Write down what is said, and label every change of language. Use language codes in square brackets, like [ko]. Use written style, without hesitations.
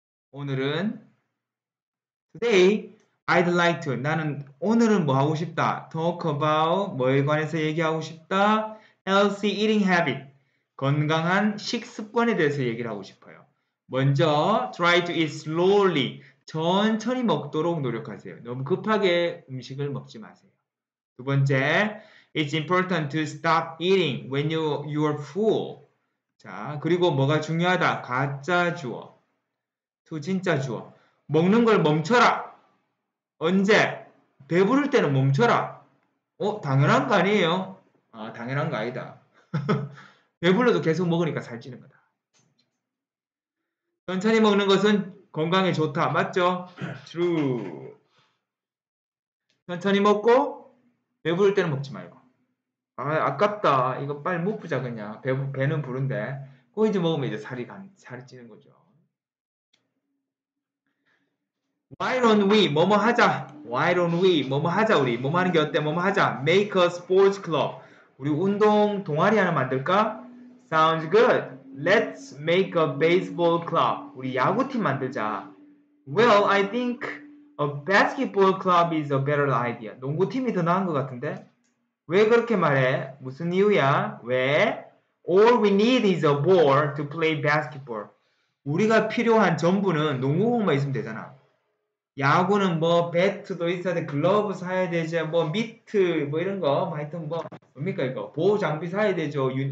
[ko] 오늘은 [en] Today, I'd like to [ko] 나는 오늘은 뭐 하고 싶다. [en] Talk about [ko] 뭐에 관해서 얘기하고 싶다. [en] Healthy eating habit [ko] 건강한 식습관에 대해서 얘기를 하고 싶어요. 먼저 [en] try to eat slowly [ko] 천천히 먹도록 노력하세요. 너무 급하게 음식을 먹지 마세요. 두 번째 [en] It's important to stop eating when you're full. [ko] 자, 그리고 뭐가 중요하다? 가짜 주어. To 진짜 주어. 먹는 걸 멈춰라. 언제? 배부를 때는 멈춰라. 당연한 거 아니에요? 아, 당연한 거 아니다. 배불러도 계속 먹으니까 살찌는 거다. 천천히 먹는 것은 건강에 좋다. 맞죠? True. 천천히 먹고 배부를 때는 먹지 말고. 아, 아깝다. 이거 빨리 못 부자, 그냥. 배는 부른데. 꼬이지 먹으면 이제 살이 찌는 거죠. [en] Why don't we, [ko] 뭐뭐 하자. [en] Why don't we, [ko] 뭐뭐 하자, 우리. 뭐뭐 하는 게 어때, 뭐뭐 하자. [en] Make a sports club. [ko] 우리 운동 동아리 하나 만들까? [en] Sounds good. Let's make a baseball club. [ko] 우리 야구팀 만들자. [en] Well, I think a basketball club is a better idea. [ko] 농구팀이 더 나은 것 같은데? 왜 그렇게 말해? 무슨 이유야? 왜? [en] All we need is a ball to play basketball. [ko] 우리가 필요한 전부는 농구공만 있으면 되잖아. 야구는 뭐 배트도 있어야 돼, 글러브 사야 되지, 뭐 미트 뭐 이런 거, 하여튼 뭐 뭡니까 이거 보호 장비 사야 되죠.